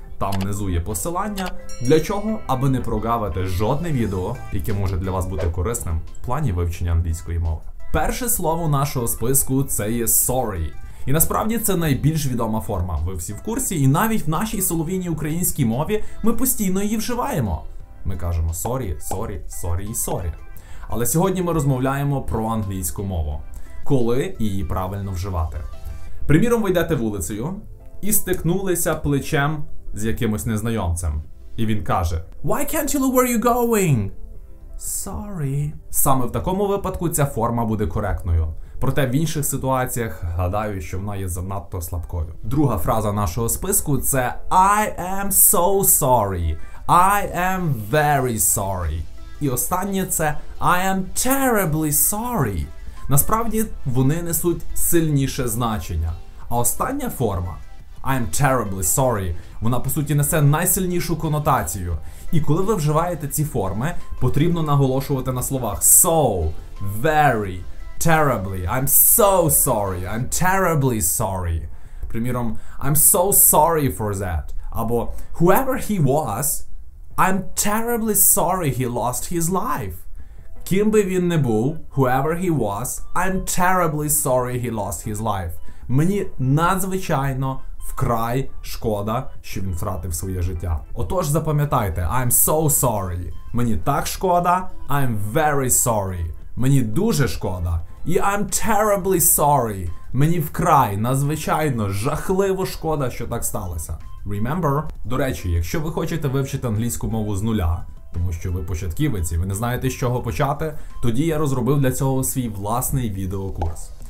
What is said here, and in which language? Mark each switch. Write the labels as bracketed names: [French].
[Ukrainian] Там внизу є посилання. Для чого? Аби не прогавити жодне відео, яке може для вас бути корисним в плані вивчення англійської мови. Перше слово нашого списку – це є «sorry». І насправді це найбільш відома форма, ви всі в курсі, і навіть в нашій солов'їній українській мові ми постійно її вживаємо. Ми кажемо sorry, sorry, sorry і sorry. Але сьогодні ми розмовляємо про англійську мову. Коли її правильно вживати? Приміром, ви йдете вулицею і стикнулися плечем з якимось незнайомцем. І він каже: [English] "Why can't you look where you're going? Sorry." [Ukrainian] Саме в такому випадку ця форма буде коректною. Проте в інших ситуаціях, гадаю, що вона є занадто слабкою. Друга фраза нашого списку – це [English] «I am so sorry», «I am very sorry». [Ukrainian] І останнє – це [English] «I am terribly sorry». [Ukrainian] Насправді, вони несуть сильніше значення. А остання форма [English] «I am terribly sorry», [Ukrainian] вона, по суті, несе найсильнішу конотацію. І коли ви вживаєте ці форми, потрібно наголошувати на словах «so», «very», terribly, [English] I'm so sorry, I'm terribly sorry. Приміром, I'm so sorry for that. Або, whoever he was, I'm terribly sorry he lost his life. [Ukrainian] Ким би він не був, [English] whoever he was, I'm terribly sorry he lost his life. [Ukrainian] Мені надзвичайно, вкрай шкода, що він втратив своє життя. Отож, запам'ятайте, [English] I'm so sorry. [Ukrainian] Мені так шкода, [English] I'm very sorry. [Ukrainian] Мені дуже шкода. І [English] I'm terribly sorry. [Ukrainian] Мені вкрай, надзвичайно, жахливо шкода, що так сталося. [English] Remember? [Ukrainian] До речі, якщо ви хочете вивчити англійську мову з нуля, тому що ви початківець, ви не знаєте, з чого почати, тоді я розробив для цього свій власний відеокурс.